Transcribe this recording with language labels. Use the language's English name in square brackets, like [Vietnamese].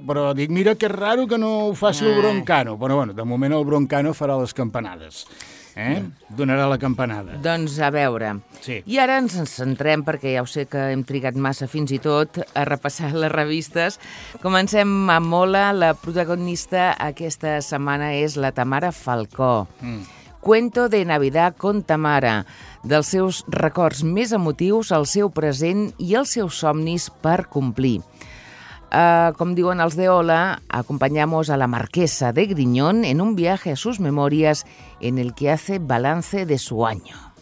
[Catalan] Però dic, mira, que raro que no ho faci el Broncano. Però bueno, de moment el Broncano farà les campanades. Donarà la campanada. Doncs a veure. Sí. I ara ens centrem, perquè ja ho sé que hem trigat massa fins i tot a repassar les revistes. Comencem amb Mola. La protagonista aquesta setmana és la Tamara Falcó. [Spanish] Cuento de Navidad con Tamara. [Catalan] Dels seus records més emotius, el seu present i els seus somnis per complir. Com diuen els de Ola, [Spanish] acompanyamos a la marquesa de Griñón en un viaje a sus memorias en el que hace balance de su año.